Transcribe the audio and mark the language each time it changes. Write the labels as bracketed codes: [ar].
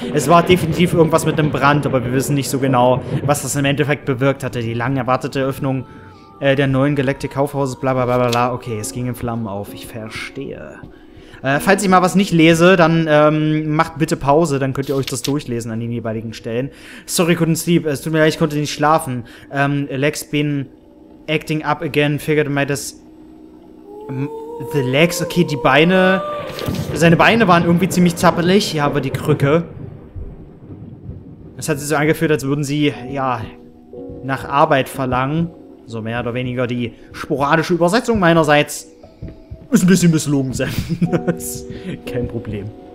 [de] Es war definitiv irgendwas mit einem Brand, aber wir wissen nicht so genau, was das im Endeffekt bewirkt hatte. Die lang erwartete Öffnung der neuen Galactic-Kaufhaus, bla bla bla bla. Okay, es ging in Flammen auf. Ich verstehe. Falls ich mal was nicht lese, dann macht bitte Pause, dann könnt ihr euch das durchlesen an den jeweiligen Stellen. [en] Sorry, couldn't sleep. [de] Es tut mir leid, ich konnte nicht schlafen. [en] Legs been acting up again. Figured my [de] das... [en] The legs? [de] Okay, die Beine... Seine Beine waren irgendwie ziemlich zappelig. Ja, aber die Krücke. Das hat sich so angefühlt, als würden sie, ja, nach Arbeit verlangen. So mehr oder weniger die sporadische Übersetzung meinerseits. Ist ein bisschen misslungen, Sam. Kein Problem.